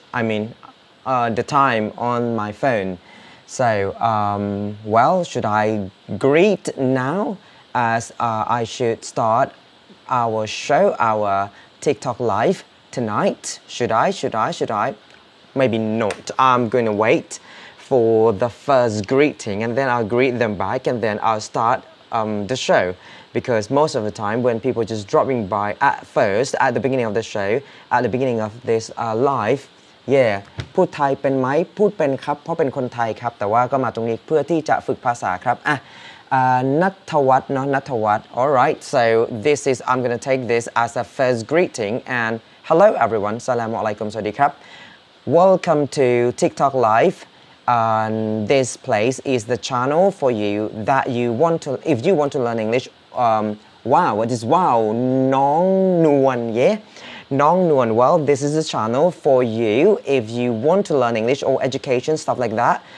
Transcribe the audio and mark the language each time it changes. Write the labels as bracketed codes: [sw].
[en] I mean, the time on my phone. So well, should I greet now as I should start our show, our TikTok live tonight? Should I? Maybe not. I'm going to wait. For the first greeting, and then I'll greet them back, and then I'll start the show. Because most of the time, when people just dropping by at first, at the beginning of the show, at the beginning of this live, yeah, [th] พูดไทยเป็นไหมพูดเป็นครับเพราะเป็นคนไทยครับแต่ว่าก็มาตรงนี้เพื่อที่จะฝึกภาษาครับอ่ะนัทวัฒน์เนาะนัทวัฒน์ [en] All right, so this is I'm gonna take this as a first greeting and hello everyone, salam alaikum, [th] สวัสดีครับ [en] Welcome to TikTok Live. And this place is the channel for you that you want to, if you want to learn English, wow, what is wow? Nong Nuan, yeah? Nong Nuan, well, this is the channel for you if you want to learn English or education, stuff like that.